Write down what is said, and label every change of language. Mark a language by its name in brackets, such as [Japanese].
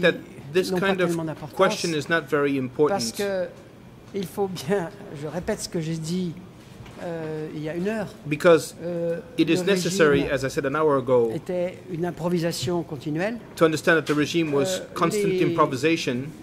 [English] that this kind of question is not very important. [French] Parce que il faut bien, je répète ce que j'ai dit il y a une heure. [English] Because it is necessary, as I said an hour ago, [French] était une improvisation continuelle. [English] To understand that the regime was constant improvisation.